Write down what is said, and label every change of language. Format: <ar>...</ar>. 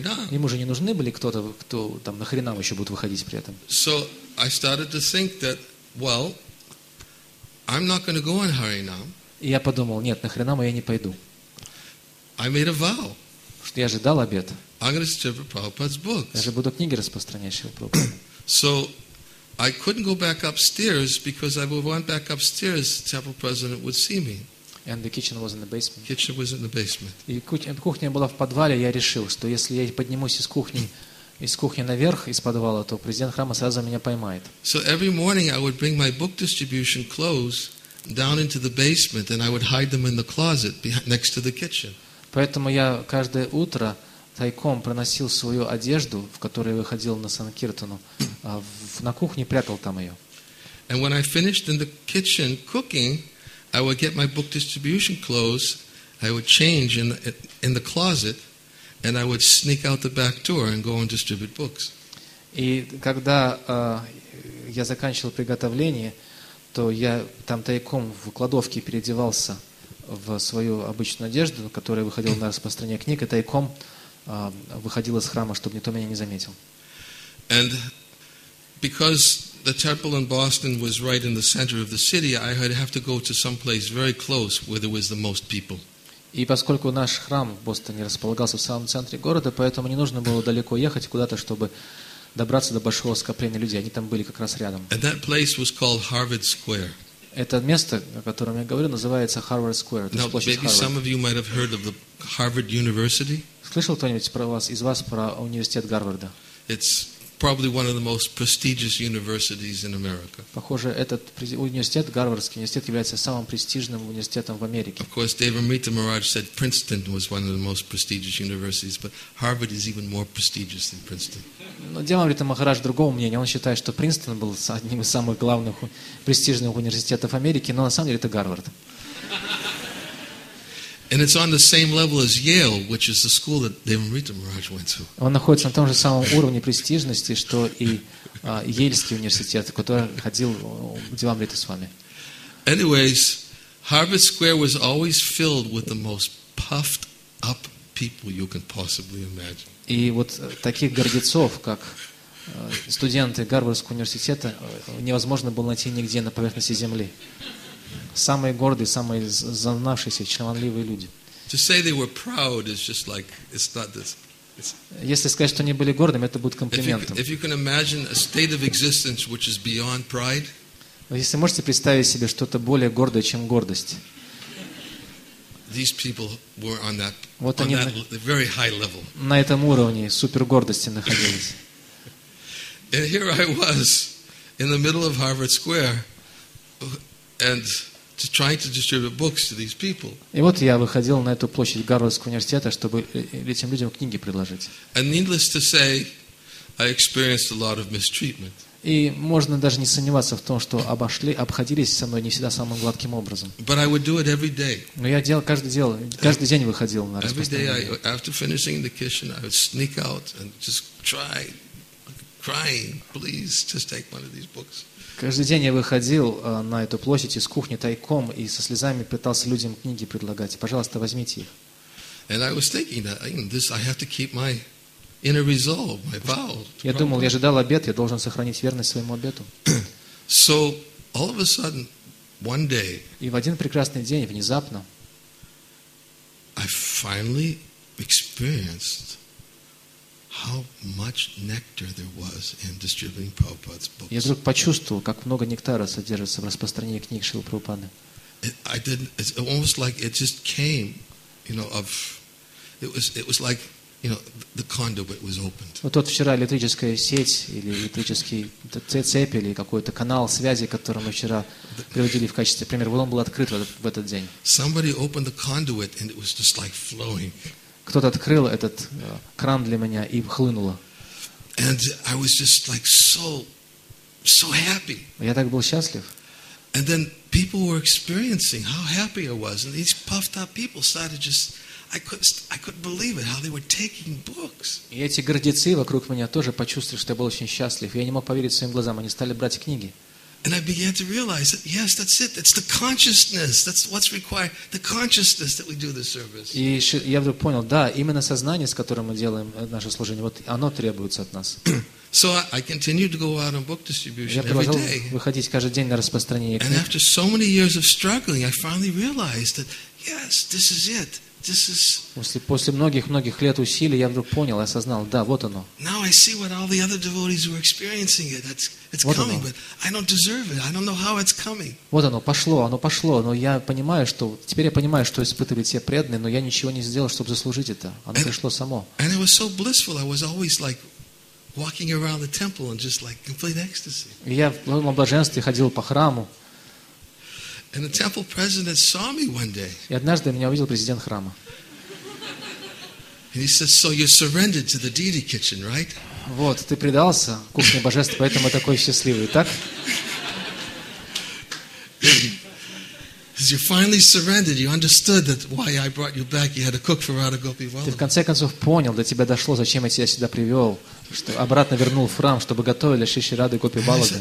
<ru>Ему же не нужны были кто-то, кто там на Харинам еще будет выходить при этом.</ru> <en>So I started to think that, well, I'm not going to go on Harinam.</en> <ru>И я подумал, нет, на Харинаму я не пойду.</ru> <en>I made a vow.</en> <ru>Что я же дал обет.</ru> <en>I'm going to distribute Prabhupada's books.</en> <ru>Я же буду книги распространять Шрилы Прабхупады.</ru> <en>So I couldn't go back upstairs because if I went back upstairs, the temple president would see me. And the kitchen was in the basement. Kitchen was in the basement.</en> <ru>И кухня была в подвале. Я решил, что если я поднимусь из кухни наверх из подвала, то президент храма сразу меня поймает.</ru> <en>So every morning I would bring my book distribution clothes down into the basement, and I would hide them in the closet next to the kitchen.</en> <ru>Поэтому я каждое утро тайком проносил свою одежду, в которой выходил на Санкиртану, на кухне прятал там ее.</ru> <en>And when I finished in the kitchen cooking, I would get my book distribution clothes, I would change in the closet, and I would sneak out the back door and go and distribute books.</en> <ru>И когда я заканчивал приготовление, то я там тайком в кладовке переодевался в свою обычную одежду, которая выходила на распространение книг, и тайком выходил из храма, чтобы никто меня не заметил.</ru> <en>And because the temple in Boston was right in the center of the city, I would have to go to some place very close where there was the most people.</en> <ru>И поскольку наш храм в Бостоне располагался в самом центре города, поэтому не нужно было далеко ехать куда-то, чтобы добраться до большого скопления людей. Они там были как раз рядом.</ru> <en>And that place was called Harvard Square.</en> <ru>Это место, о котором я говорю, называется Harvard Square.</ru> <en>Now,</en> <ru>площадь</ru> <en>Harvard. Maybe some of you might have heard of the Harvard University.</en> <ru>Слышал кто-нибудь из вас про университет Гарварда?</ru> <en>It's probably one of the most prestigious universities in America.</en> <ru>Похоже, этот университет, Гарвардский университет, является самым престижным университетом в Америке.</ru> <en>Of course, Dev Amrita Maharaj said Princeton was one of the most prestigious universities, but Harvard is even more prestigious than Princeton.</en> <ru>Но Дев Амрита Махарадж другого мнения. Он считает, что Принстон был одним из самых главных престижных университетов Америки, но на самом деле это Гарвард.</ru> <en>And it's on the same level as Yale, which is the school that Devamrita Maharaj went to.</en> <ru>Он находится на том же самом уровне престижности, что и Йельский университет, в который ходил Девамрита с вами.</ru> <en>Anyways, Harvard Square was always filled with the most puffed up people you can possibly imagine.</en> <ru>И вот таких гордецов, как студенты Гарвардского университета, невозможно было найти нигде на поверхности земли. Самые гордые, самые зазнавшиеся, чванливые люди.</ru> <en>To say they were proud is just like it's not this.</en> <ru>Если сказать, что они были гордыми, это будет комплиментом.</ru> <en>If you can imagine a state of existence which is beyond pride.</en> <ru>Если можете представить себе что-то более гордое, чем гордость.</ru> <en>These people were on that.</en> <ru>Вот они на</ru> <en>very high level.</en> <ru>На этом уровне супергордости находились.</ru> <en>And here I was in the middle of Harvard Square. And to try to distribute books to these people.</en> <ru>И вот я выходил на эту площадь Гарвардского университета, чтобы этим людям книги предложить.</ru> <en>And needless to say, I experienced a lot of mistreatment.</en> <ru>И можно даже не сомневаться в том, что обходились со мной не всегда самым гладким образом.</ru> <en>But I would do it every day.</en> <ru>Но я каждый день выходил на распространение.</ru> <en>Every day, after finishing the kitchen, I would sneak out and just try, crying, please, just take one of these books.</en> <ru>Каждый день я выходил на эту площадь из кухни тайком и со слезами пытался людям книги предлагать. Пожалуйста, возьмите их.</ru> <en>And I was thinking that this I have to keep my inner resolve, my vow.</en> <ru>Я думал, я же дал обет, я должен сохранить верность своему обету.</ru> <en>So all of a sudden, one day.</en> <ru>И в один прекрасный день внезапно.</ru> <en>I finally experienced how much nectar there was in distributing Prabhupada's books.</en> <ru>Я вдруг почувствовал, как много нектара содержится в распространении книг Шрилы Прабхупады.</ru> <en>It's almost like it just came, you know. It was like, you know, the conduit was opened.</en> <ru>Вот тут вчера электрическая сеть или электрический цепь или какой-то канал связи, который мы вчера приводили в качестве примера, вот он был открыт в этот день.</ru> <en>Somebody opened the conduit and it was just like flowing.</en> <ru>Кто-то открыл этот кран для меня и хлынуло.</ru> <en>And I was just like so happy.</en> <ru>Я так был счастлив.</ru> <en>And then people were experiencing how happy I was, and these puffed up people started just I couldn't believe it how they were taking books.</en> <ru>И эти гордецы вокруг меня тоже почувствовали, что я был очень счастлив. Я не мог поверить своим глазам, они стали брать книги.</ru> <en>And I began to realize that, yes, that's it. It's the consciousness. That's what's required. The consciousness that we do the service.</en> <ru>И я вдруг понял, да, именно сознание, с которым мы делаем наше служение, вот оно требуется от нас.</ru> <en>So I continued to go out on book distribution every day.</en> <ru>Я продолжал выходить каждый день на распространение книг.</ru> <en>And after so many years of struggling, I finally realized that, yes, this is it. This is.</en> <ru>После многих лет усилий я вдруг понял, осознал, да, вот оно.</ru> <en>Now I see what all the other devotees were experiencing. It's coming, but I don't deserve it. I don't know how it's coming.</en> <ru>Вот оно пошло, оно пошло, но я понимаю, что теперь я понимаю, что испытывали все преданные, но я ничего не сделал, чтобы заслужить это. Оно пришло само.</ru> <en>And it was so blissful. I was always like walking around the temple and just like complete ecstasy.</en> <ru>Я в полном блаженстве ходил по храму.</ru> <en>And the temple president saw me one day.</en> <ru>И однажды меня увидел президент храма.</ru> <en>And he says, "So you surrendered to the deity kitchen, right?"</en> <ru>Вот, ты предался кухне божеств, поэтому такой счастливый, так?</ru> <en>As you finally surrendered, you understood that why I brought you back. You had to cook for Radha Gopi Vallabha.</en> <ru>Ты в конце концов понял, до тебя дошло, зачем я тебя сюда привел, что обратно вернул в храм, чтобы готовили шиши Рады Гопи Валлабы.</ru>